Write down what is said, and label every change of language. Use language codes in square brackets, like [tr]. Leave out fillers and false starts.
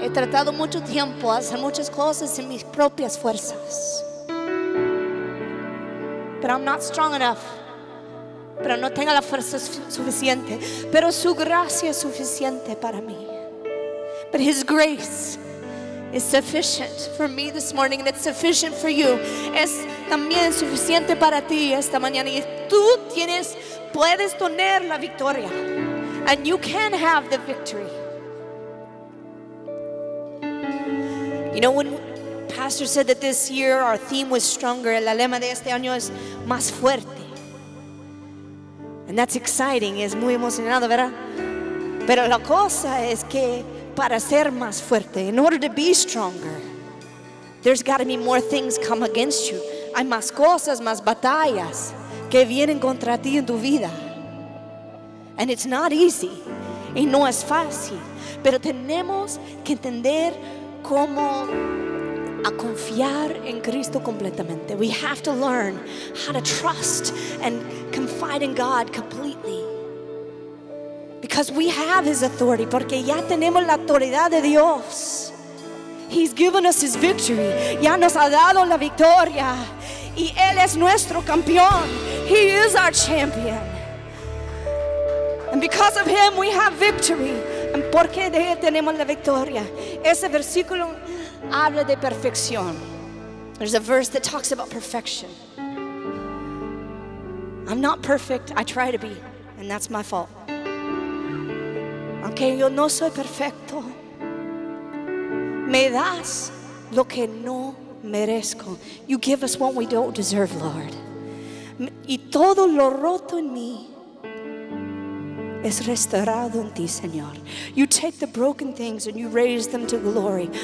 [es] He tratado mucho tiempo hacer muchas cosas en mis propias fuerzas. [en] But I'm not strong enough. [es] Pero no tenga la fuerza suficiente, pero su gracia es suficiente para mí. [en] But his grace is sufficient for me this morning, and it's sufficient for you. [es] Es también suficiente para ti esta mañana, y tú tienes, puedes tener la victoria. [en] And you can have the victory. You know, when pastor said that this year our theme was stronger. [es] El lema de este año es más fuerte. [en] And that's exciting. [es] Es muy emocionado, ¿verdad? Pero la cosa es que para ser más fuerte, [en] in order to be stronger, there's got to be more things come against you. [es] Hay más cosas, más batallas que vienen contra ti en tu vida. [en] And it's not easy. [es] Y no es fácil. Pero tenemos que entender cómo a confiar en Cristo completamente. [en] We have to learn how to trust and confide in God completely. Because we have His authority. [es] Porque ya tenemos la autoridad de Dios. [en] He's given us His victory. [es] Ya nos ha dado la victoria. Y Él es nuestro campeón. [en] He is our champion. And because of Him, we have victory. And [es] porque de Él tenemos la victoria. Ese versículo habla de perfección. [en] There's a verse that talks about perfection. I'm not perfect. I try to be. And that's my fault. [es] Aunque yo no soy perfecto, me das lo que no merezco. [en] You give us what we don't deserve, Lord. [es] Y todo lo roto en mí es restaurado en ti, Señor. [en] You take the broken things and you raise them to glory.